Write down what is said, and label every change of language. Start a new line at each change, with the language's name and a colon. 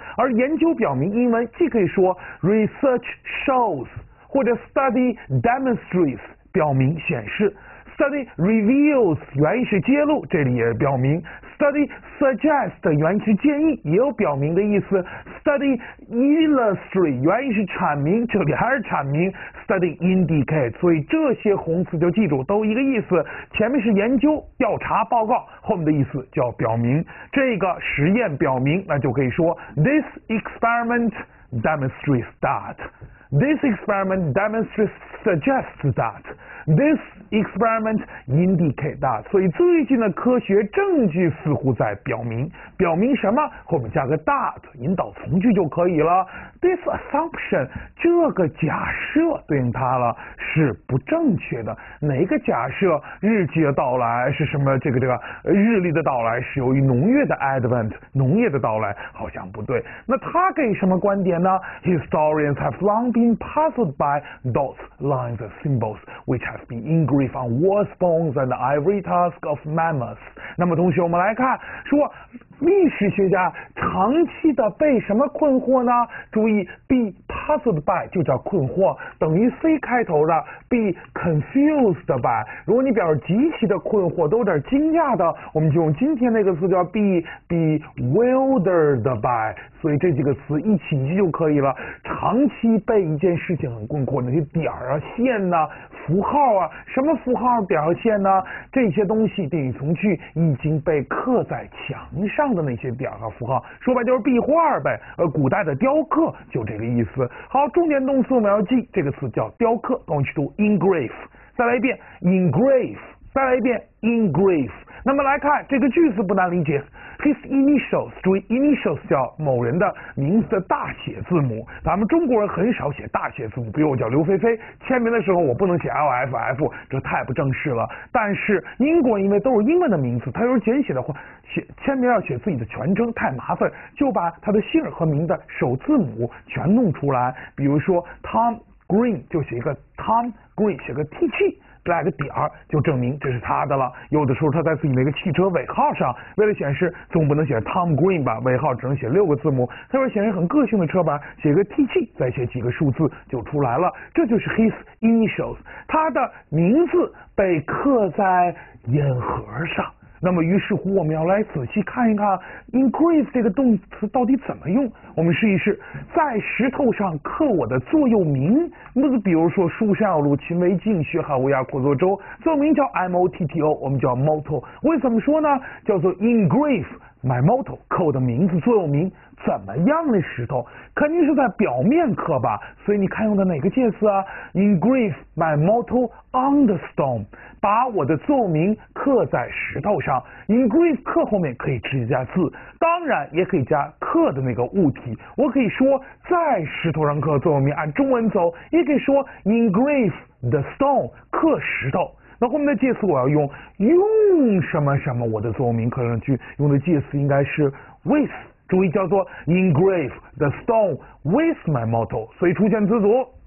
Chinese: 而研究表明，英文既可以说
English: research shows，
Chinese: 或者
English: study demonstrates，
Chinese: 表明显示；
English: study reveals，
Chinese: 原因是揭露，这里也表明；
English: study suggest，
Chinese: 原因是建议，也有表明的意思；
English: study illustrate，
Chinese: 原因是阐明，这里还是阐明；
English: study indicate，
Chinese: 所以这些红词就记住，都一个意思。前面是研究、调查、报告，后面的意思叫表明。这个实验表明，那就可以说
English: this experiment demonstrates that。 This experiment demonstrates suggests that. This experiment indicate that.
Chinese: 所以最近的科学证据似乎在表明什么？后面加个 that 引导从句就可以了。
English: This assumption
Chinese: 这个假设对应它了是不正确的。哪个假设？日期的到来是什么？这个日历的到来是由于农业的 advent 农业的到来，好像不对。那他给什么观点呢？
English: Historians have long been puzzled by dots, lines, and symbols which have been engraved on wall stones and ivory tusks of mammoths。
Chinese: 那么，同学，我们来看，说历史学家长期的被什么困惑呢？注意，
English: be puzzled by
Chinese: 就叫困惑，等于 C 开头的
English: be confused by。
Chinese: 如果你表示极其的困惑，都有点惊讶的，我们就用今天那个词叫
English: be bewildered by。
Chinese: 所以这几个词一起记就可以了。长期被一件事情很困惑，那些点儿啊、线呐、符号啊，什么符号、点儿、线呐，这些东西等于从句已经被刻在墙上的那些点儿和符号，说白就是壁画呗。古代的雕刻就这个意思。好，重点动词我们要记，这个词叫雕刻，动词读 engrave。再来一遍 engrave，再来一遍 engrave。那么来看这个句子不难理解。
English: His initials，
Chinese: 注意 initials 叫某人的名字的大写字母。咱们中国人很少写大写字母，比如我叫刘菲菲，签名的时候我不能写 LFF，这太不正式了。但是英国因为都是英文的名字，他要是简写的话，签名要写自己的全称太麻烦，就把他的姓和名的首字母全弄出来。比如说 Tom Green 就写一个 Tom Green，写个 TT。来个点儿，就证明这是他的了。有的时候他在自己那个汽车尾号上，为了显示，总不能写 Tom Green 吧？尾号只能写六个字母。他说显示很个性的车牌，写个 TT，再写几个数字就出来了。这就是
English: his initials，
Chinese: 他的名字被刻在烟盒上。那么，于是乎我们要来仔细看一看 engrave 这个动词到底怎么用。我们试一试，在石头上刻我的座右铭。那么，比如说“书上有路勤为径，学海无涯苦作舟”，座右铭叫 motto，我们叫 motto。为什么说呢？叫做
English: engrave my motto，
Chinese: 刻我的名字座右铭。怎么样的石头？肯定是在表面刻吧。所以你看用的哪个介词啊？
English: engrave my motto on the stone。
Chinese: 把我的座右铭刻在石头上。engrave 刻后面可以直接加字，当然也可以加刻的那个物体。我可以说在石头上刻座右铭，按中文走，也可以说
English: engrave the stone
Chinese: 刻石头。那后面的介词我要用什么什么我的座右铭刻上去，用的介词应该是 with， 注意叫做
English: engrave the stone with my motto，
Chinese: 所以出现词组。